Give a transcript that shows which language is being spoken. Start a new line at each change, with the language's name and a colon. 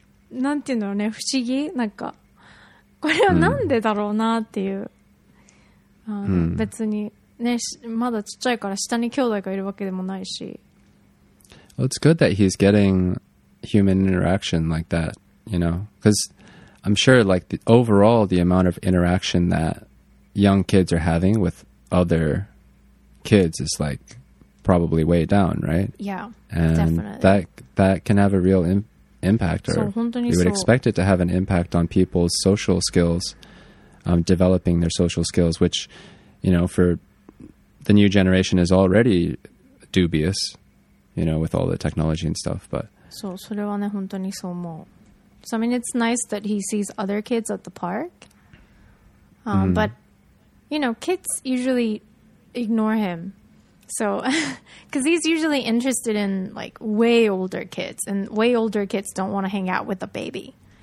Japanese: なんていうんだろうね、不思議。なんか、これはなんでだろうなっていう。別に、ね、まだちっちゃいから下に兄弟がいるわけでもないし。
English: Well, it's good that he's getting human interaction like that, you know? Because I'm sure, like, the, overall, the amount of interaction that young kids are having with other kids is, like, probably way down, right? Yeah, And definitely. That can have a real impact, or you would expect it to have an impact on people's social skills, developing their social skills, which, you know, for the new generation is already dubious, you know, with all the technology and stuff. But
Japanese: so, それはね、本当にそう思う。
English: So I mean, it's nice that he sees other kids at the park, but you know, kids usually ignore him. So, because he's usually interested in, like, way older kids, and way older kids don't want to hang out with a baby.